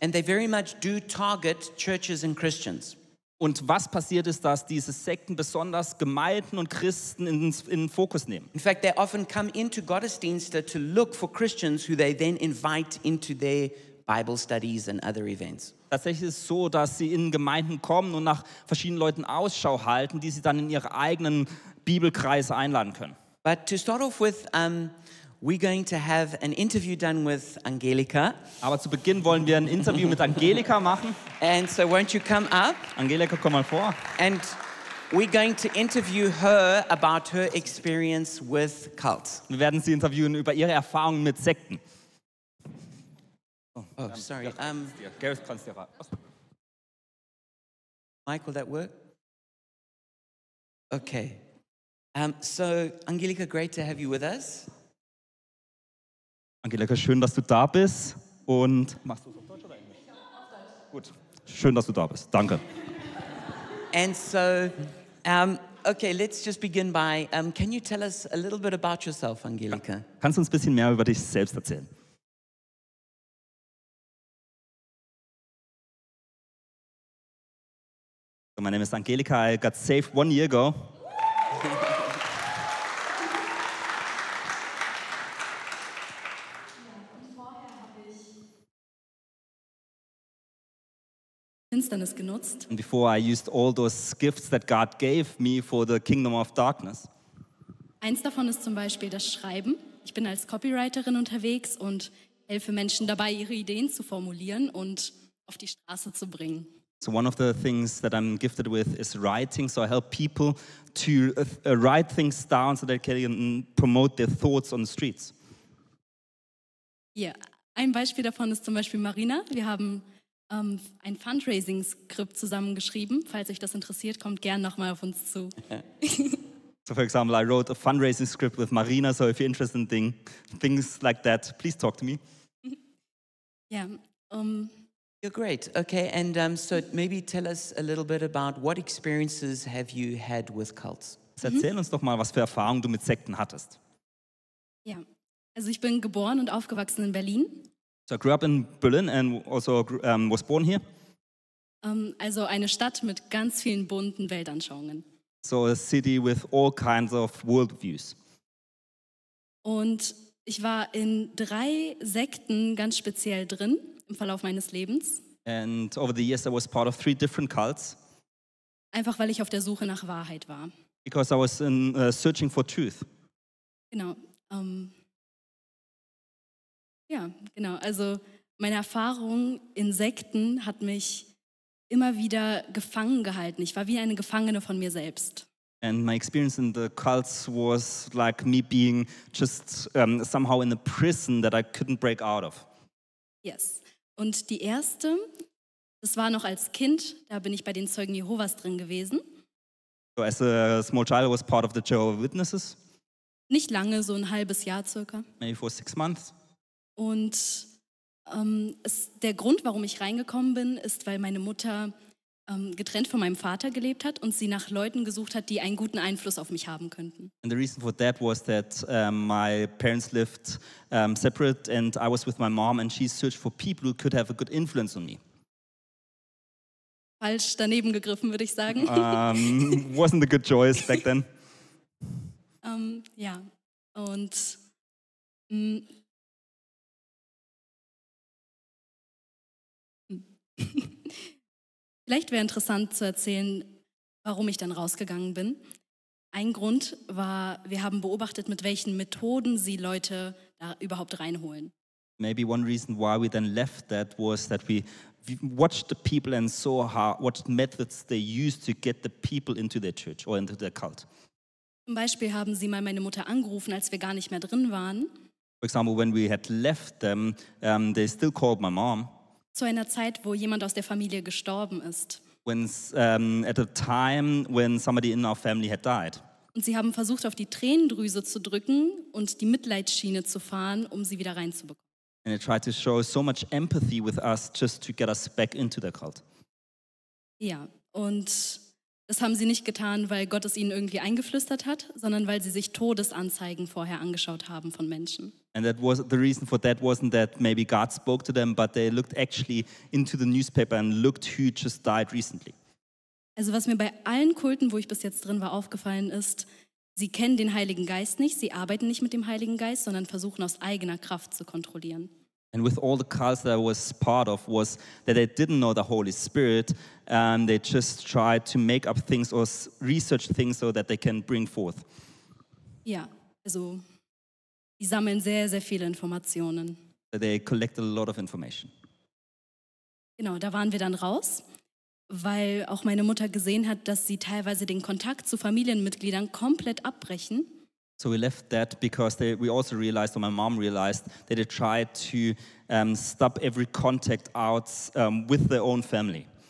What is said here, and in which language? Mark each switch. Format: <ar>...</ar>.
<en>And they very much do target churches and Christians.</en> <de>Und was passiert ist, dass diese Sekten besonders Gemeinden und Christen in Fokus nehmen?</de> <en>In fact, they often come into Gottesdienste to look for Christians who they then invite into their Bible studies and other events.</en> <de>Tatsächlich ist es so, dass sie in Gemeinden kommen und nach verschiedenen Leuten Ausschau halten, die sie dann in ihre eigenen Bibelkreise einladen können.</de> <en>But to start off with, we're going to have an interview done with Angelika.</en> <de>Aber zu Beginn wollen wir ein Interview mit Angelika machen.</de> <en>And so won't you come up?</en> <de>Angelika, komm mal vor.</de> <en>And we're going to interview her about her experience with cults.</en> <de>Wir werden sie interviewen über ihre Erfahrungen mit Sekten.</de> <en>Oh, sorry.</en> <de>Gareth kannst dir raten.</de> <en>Michael, that work? Okay. So, Angelika, great to have you with us.</en> <de>Angelika, schön, dass du da bist und machst du es auf Deutsch oder Englisch? Ja, auf Deutsch. Gut, schön, dass du da bist. Danke.</de> <en>And so, okay, let's just begin by, can you tell us a little bit about yourself, Angelika?</en> <de>Kannst du uns ein bisschen mehr über dich selbst erzählen?</de> <en>So, my name is Angelika, I got saved 1 year ago. And before I used all those gifts that God gave me for the kingdom of darkness.</en> <de>Eins davon ist zum Beispiel das Schreiben. Ich bin als Copywriterin unterwegs und helfe Menschen dabei, ihre Ideen zu formulieren und auf die Straße zu bringen.</de> <en>So one of the things that I'm gifted with is writing. So I help people to write things down so they can promote their thoughts on the streets.</en> <de>Ja, ein Beispiel davon ist zum Beispiel Marina. Wir haben ein Fundraising-Skript zusammengeschrieben. Falls euch das interessiert, kommt gern nochmal auf uns zu.</de> <en>So for example, I wrote a fundraising script with Marina, so if you're interested in things like that, please talk to me. Yeah. You're great. Okay, and so maybe tell us a little bit about what experiences have you had with cults?</en> <de>Erzähl uns doch mal, was für Erfahrungen du mit Sekten hattest. Ja, also ich bin geboren und aufgewachsen in Berlin.</de> <en>So I grew up in Berlin and also was born here.</en> <de>Also eine Stadt mit ganz vielen bunten Weltanschauungen.</de> <en>So a city with all kinds of worldviews.</en> <de>Und ich war in 3 Sekten ganz speziell drin im Verlauf meines Lebens.</de> <en>And over the years I was part of 3 different cults.</en> <de>Einfach weil ich auf der Suche nach Wahrheit war.</de> <en>Because I was in searching for truth.</en> <de>Genau. Ja, genau. Also meine Erfahrung in Sekten hat mich immer wieder gefangen gehalten. Ich war wie eine Gefangene von mir selbst.</de> <en>And my experience in the cults was like me being just somehow in a prison that I couldn't break out of. Yes.</en> <de>Und die erste, das war noch als Kind, da bin ich bei den Zeugen Jehovas drin gewesen.</de> <en>So as a small child I was part of the Jehovah's Witnesses.</en> <de>Nicht lange, so ein halbes Jahr circa.</de> <en>Maybe for 6 months.</en> <de>Und der Grund, warum ich reingekommen bin, ist, weil meine Mutter getrennt von meinem Vater gelebt hat und sie nach Leuten gesucht hat, die einen guten Einfluss auf mich haben könnten.</de> <en>And the reason for that was that my parents lived separate and I was with my mom and she searched for people who could have a good influence on me.</en> <de>Falsch daneben gegriffen, würde ich sagen.</de> <en>Wasn't a good choice back then.</en> <de>Ja, und vielleicht wäre interessant zu erzählen, warum ich dann rausgegangen bin. Ein Grund war, wir haben beobachtet, mit welchen Methoden sie Leute da überhaupt reinholen.</de> <en>Maybe one reason why we then left that was that we watched the people and saw how what methods they use to get the people into their church or into their cult.</en> <de>Zum Beispiel haben sie mal meine Mutter angerufen, als wir gar nicht mehr drin waren.</de> <en>For example, when we had left them, they still called my mom.</en> <de>Zu einer Zeit, wo jemand aus der Familie gestorben ist.</de> <en>At a time when somebody in our family had died.</en> <de>Und sie haben versucht, auf die Tränendrüse zu drücken und die Mitleidsschiene zu fahren, um sie wieder reinzubekommen.</de> <en>And they tried to show so much empathy with us, just to get us back into the cult.</en> <de>Ja, und das haben sie nicht getan, weil Gott es ihnen irgendwie eingeflüstert hat, sondern weil sie sich Todesanzeigen vorher angeschaut haben von Menschen.</de> <en>And that was the reason for that wasn't that maybe God spoke to them, but they looked actually into the newspaper and looked who just died recently.</en> <de>Also was mir bei allen Kulten, wo ich bis jetzt drin war, aufgefallen ist, sie kennen den Heiligen Geist nicht, sie arbeiten nicht mit dem Heiligen Geist, sondern versuchen aus eigener Kraft zu kontrollieren.</de> <en>And with all the cults that I was part of was that they didn't know the Holy Spirit and they just tried to make up things or research things so that they can bring forth.</en> <de>Ja, also die sammeln sehr, sehr viele Informationen.</de> <en>They collect a lot of information.</en> <de>Genau, da waren wir dann raus, weil auch meine Mutter gesehen hat, dass sie teilweise den Kontakt zu Familienmitgliedern komplett abbrechen.</de> <en>So we left that because my mom realized that they tried to stop every contact out with their own family.</en>